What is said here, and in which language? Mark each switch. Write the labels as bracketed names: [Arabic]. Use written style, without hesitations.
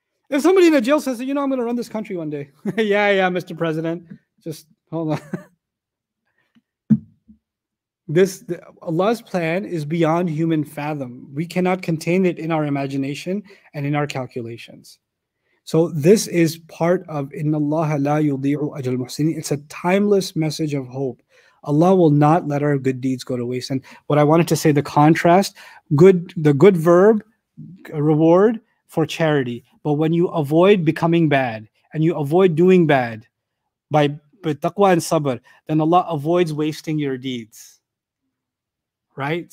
[English] If somebody in a jail cell says, you know, I'm going to run this country one day. yeah, Mr. President. Just hold on. Allah's plan is beyond human fathom. We cannot contain it in our imagination and in our calculations. So this is part of [Arabic] إِنَّ اللَّهَ لَا يُضِيعُ أَجْلَ الْمُحْسِنِينَ. [English] It's a timeless message of hope. Allah will not let our good deeds go to waste. And what I wanted to say, the contrast, the good verb, reward for charity. But when you avoid becoming bad and you avoid doing bad by taqwa and sabr, then Allah avoids wasting your deeds. Right?